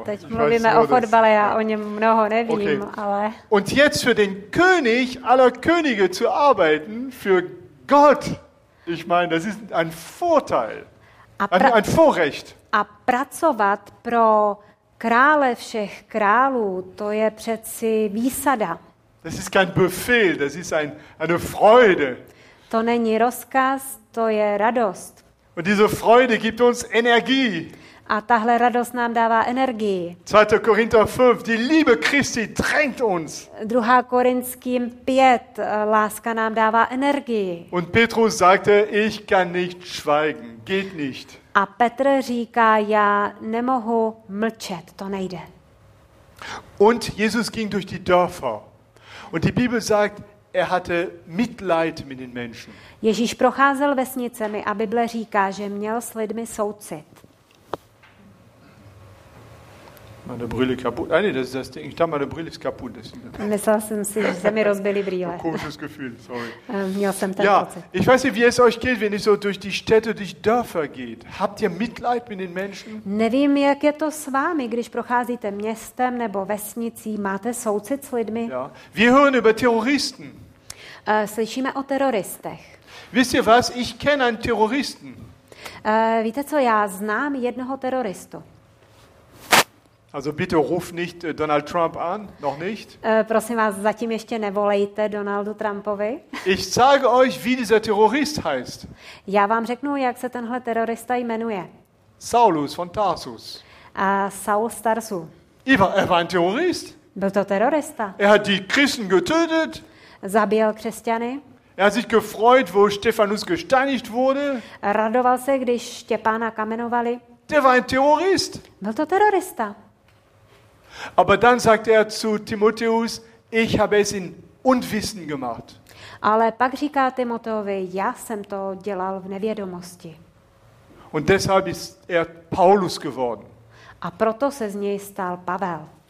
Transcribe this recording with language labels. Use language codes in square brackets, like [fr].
[cs] teď mluvíme o fotbale, já o něm mnoho nevím, okay. Ale [de] und jetzt für den König aller Könige zu arbeiten für Gott. Ich meine, das ist ein Vorteil. Ein Vorrecht. [cs] A pracovat pro krále všech králů, to je přeci výsada. [de] Das ist kein Befehl, das ist eine Freude. [cs] To není rozkaz, to je radost. [de] Und diese Freude gibt uns Energie. [cs] A tahle radost nám dává energii. [de] 2. Korinther 5, die Liebe Christi drängt uns. [cs] 2. Korinským 5, láska nám dává energii. [de] Und Petrus sagte, ich kann nicht schweigen, geht nicht. [cs] A Petr říká, já nemohu mlčet, to nejde. [de] Und Jesus ging durch die Dörfer. Und die Bibel sagt, er hatte Mitleid mit den Menschen. [cs] Ježíš procházel vesnicemi a Bible říká, že měl s lidmi soucit. [de] Meine Brille kaputt. Ah, nee, das ist das Ding. Ich dachte, meine Brille ist kaputt. [cs] Myslel jsem si, že se mi rozbili brýle. [de] Komisches Gefühl, sorry. [cs] Měl jsem ten pocit. [de] Ich weiß nicht, wie es euch geht, wenn ihr so durch die Städte, durch Dörfer geht. Habt ihr Mitleid mit den Menschen? [cs] Nevím, jak je to s vámi, když procházíte městem nebo vesnicí, máte soucit s lidmi? [de] Ja. Wir hören über Terroristen. [cs] Slyšíme o teroristech. [de] Wisst ihr was? Ich kenne einen Terroristen. [cs] Víte co, já znám jednoho teroristu. [de] Also bitte ruf nicht Donald Trump an, noch nicht. [cs] Prosím vás, zatím ještě nevolejte Donaldu Trumpovi. [de] Ich sage euch, wie dieser Terrorist heißt. [cs] Já vám řeknu, jak se tenhle terorista jmenuje. [de] Saulus von Tarsus. [cs] A Saul z Tarsu. [de] Er war ein Terrorist. [cs] Byl to terorista. [de] Er hat die Christen getötet. [cs] Zabíjel křesťany. [de] Er hat sich gefreut, wo Stephanus gesteinigt wurde. [cs] Radoval se, když Štěpána kamenovali. [de] Der war ein Terrorist. [cs] Byl to terorista. [de] Aber dann sagte er zu Timotheus, ich habe es in Unwissen gemacht. [cs] Ale pak říká Timoteovi, já jsem to dělal v nevědomosti. [de] Und deshalb ist er Paulus geworden. [cs] A proto se z něj stal Pavel.